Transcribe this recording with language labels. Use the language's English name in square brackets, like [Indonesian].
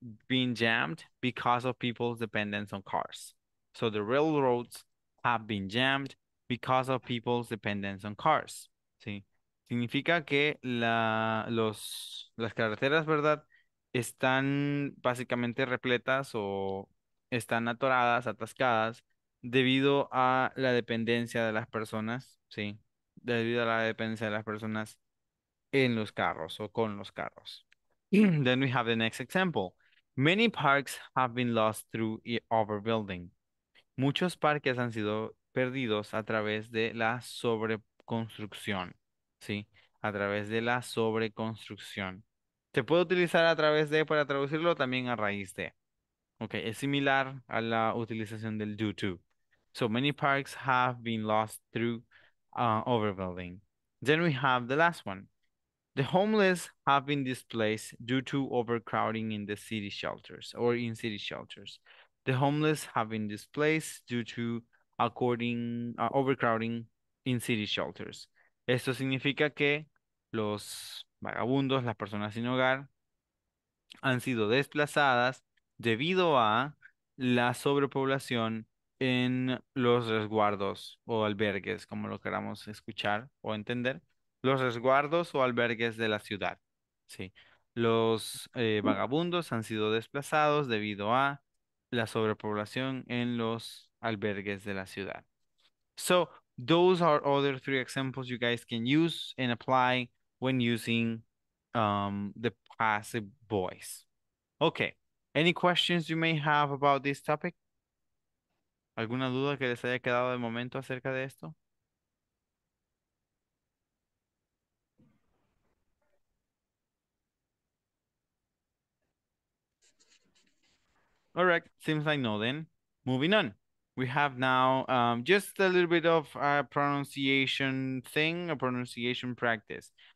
[English] being jammed because of people's dependence on cars. So the railroads have been jammed because of people's dependence on cars. [Spanish] ¿Sí? Significa que las carreteras, ¿verdad?, están básicamente repletas o están atoradas, atascadas, debido a la dependencia de las personas, ¿sí? Debido a la dependencia de las personas en los carros o con los carros. [English] Then we have the next example. Many parks have been lost through overbuilding. [Spanish] Muchos parques han sido perdidos a través de la sobreconstrucción, ¿sí? A través de la sobreconstrucción. Se puede utilizar a través de para traducirlo también a raíz de. Okay, es similar a la utilización del due to. [English] So many parks have been lost through overbuilding. Then we have the last one. The homeless have been displaced due to overcrowding in the city shelters or in city shelters. The homeless have been displaced due to overcrowding in city shelters. [Spanish] Esto significa que los vagabundos, las personas sin hogar, han sido desplazadas debido a la sobrepoblación en los resguardos o albergues, como lo queramos escuchar o entender, los resguardos o albergues de la ciudad, ¿sí? Los vagabundos han sido desplazados debido a la sobrepoblación en los albergues de la ciudad. [English] So, those are other three examples you guys can use and apply when using the passive voice. Okay, any questions you may have about this topic? [Spanish] ¿Alguna duda que les haya quedado de momento acerca de esto? [English] All right, seems like no then. Moving on. We have now just a little bit of a pronunciation thing, a pronunciation practice.